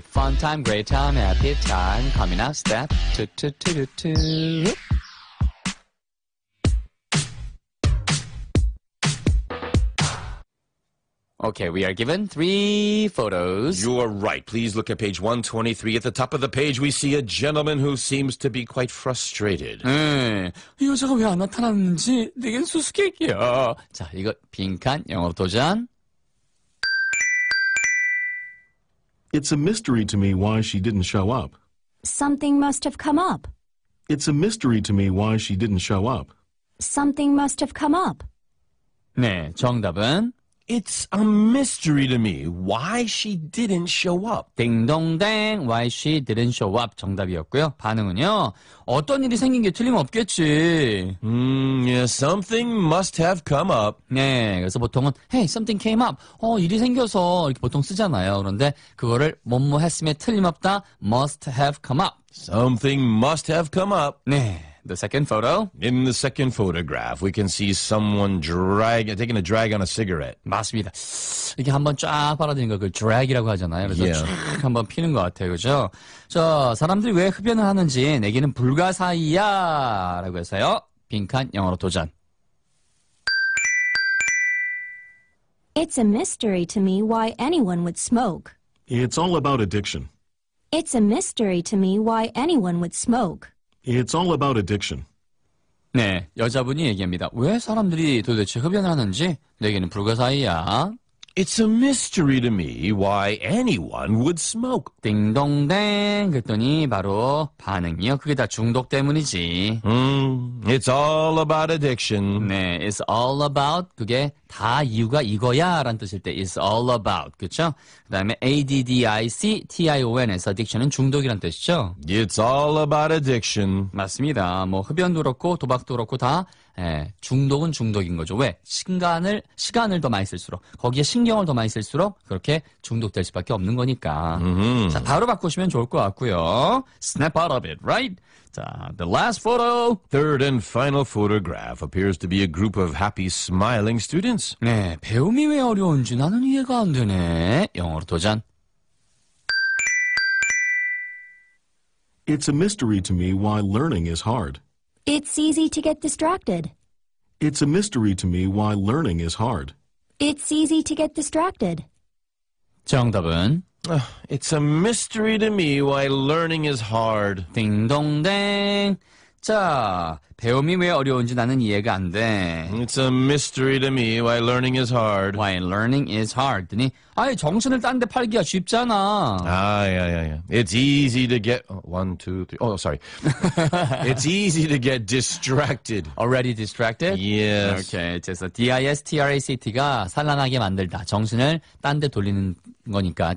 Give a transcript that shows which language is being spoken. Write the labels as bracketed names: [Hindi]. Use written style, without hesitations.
[English] Fun time, great time, happy time, coming up, step two, two, two, two, two. Okay, we are given 3 photos. You are right. Please look at page 123. At the top of the page, we see a gentleman who seems to be quite frustrated. [Korean] 네, 이 여자가 왜 안 나타났는지 내겐 수수께끼야. 자, 이거 빈칸 영어 도전. [English] It's a mystery to me why she didn't show up. Something must have come up. It's a mystery to me why she didn't show up. Something must have come up. [Korean] 네, 정답은? [English] It's a mystery to me why she didn't show up. 딩동댕, why she didn't show up. [Korean] 정답이었고요. 반응은요. 어떤 일이 생긴 게 틀림없겠지. [English] Yeah, something must have come up. [Korean] 네, 그래서 보통은 [English] hey, something came up. [Korean] 일이 생겨서 이렇게 보통 쓰잖아요. 그런데 그거를 뭐뭐 했음에 틀림없다. [English] Must have come up. Something must have come up. 네, the second photo? In the second photograph, we can see someone taking a drag on a cigarette. [Korean] 맞습니다. 이게 한번 쫙 빨아들이는 거, 그 drag이라고 하잖아요. 그래서 yeah. 쫙 한번 피는 것 같아요. 그죠? 자, 사람들이 왜 흡연을 하는지 내기는 불가사의야 라고 해서요. 빈칸 영어로 도전. [English] It's a mystery to me why anyone would smoke. It's all about addiction. It's a mystery to me why anyone would smoke. It's all about addiction. [Korean] 네, 여자분이 얘기합니다. 왜 사람들이 도대체 흡연을 하는지 내게는 불가사의야. [English] It's a mystery to me why anyone would smoke. [Korean] 띵동댕 그랬더니 바로 반응이요. 그게 다 중독 때문이지. [English] It's all about addiction. [Korean] 네, [English] it's all about [Korean] 그게 다 이유가 이거야 라는 뜻일 때 it's all about, 그쵸? 그 다음에 ADDICTION에서 addiction은 중독이란 뜻이죠? [English] It's all about addiction. [Korean] 맞습니다. 뭐 흡연도 그렇고 도박도 그렇고 다 예, 중독은 중독인 거죠. 왜? 시간을 더 많이 쓸수록, 거기에 신경을 더 많이 쓸수록 그렇게 중독될 수밖에 없는 거니까. Mm-hmm. 자, 바로 바꾸시면 좋을 것 같고요. [English] Snap out of it, right? 자, the last photo. Third and final photograph appears to be a group of happy, smiling students. [Korean] 네, 배움이 왜 어려운지 나는 이해가 안 되네. 영어로 도전. [English] It's a mystery to me why learning is hard. It's easy to get distracted. It's a mystery to me why learning is hard. It's easy to get distracted. [Korean] 정답은? [English] It's a mystery to me why learning is hard. [Korean] 딩동댕. 자, 배움이 왜 어려운지 나는 이해가 안 돼. [English] It's a mystery to me why learning is hard. Why learning is hard. [Korean] 아니, 정신을 딴 데 팔기가 쉽잖아. [English] 아, yeah, yeah, yeah. It's easy to get... One, two, three. Oh, sorry. It's easy to get distracted. Already distracted? Yes. [Korean] Okay, 그래서 distract가 산란하게 만들다. 정신을 딴 데 돌리는 거니까.